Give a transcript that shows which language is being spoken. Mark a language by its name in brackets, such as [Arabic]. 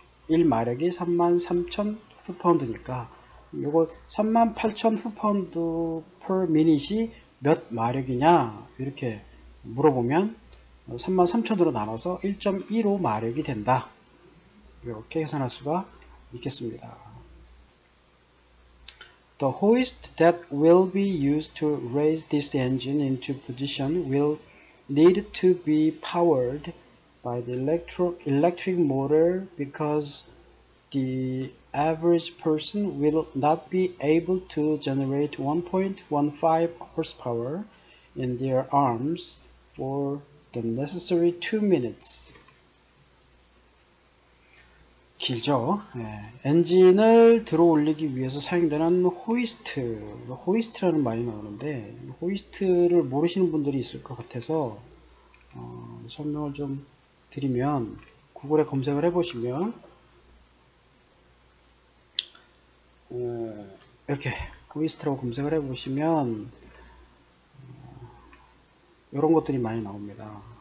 [Korean] 1마력이 33,000 foot-pound니까 이거 38,000 [English] foot-pound per minute [Korean] 이 몇 마력이냐 이렇게 물어보면 33,000으로 나눠서 1.15마력이 된다. 이렇게 계산할 수가 있겠습니다. [English] The hoist that will be used to raise this engine into position will need to be powered by the electric motor because the average person will not be able to generate 1.15 horsepower in their arms for the necessary 2 minutes. [Korean] 길죠. 엔진을 들어 올리기 위해서 사용되는 호이스트라는 말이 나오는데, 호이스트를 모르시는 분들이 있을 것 같아서, 설명을 좀 드리면, 구글에 검색을 해보시면, 이렇게, 호이스트라고 검색을 해보시면, 이런 것들이 많이 나옵니다.